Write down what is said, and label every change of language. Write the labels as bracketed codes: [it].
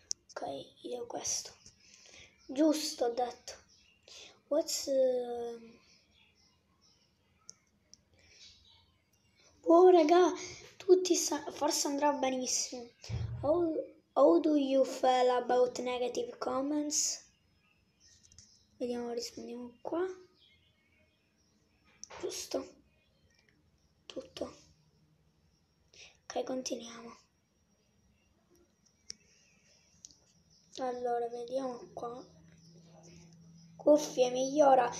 [it] Ok, io questo. Giusto, ho detto. What's... Oh, raga, tutti forse andrà benissimo. [en] How do you feel about negative comments? [it] Vediamo, rispondiamo qua. Giusto. Tutto. Ok, continuiamo. Allora, vediamo qua. Cuffie migliora.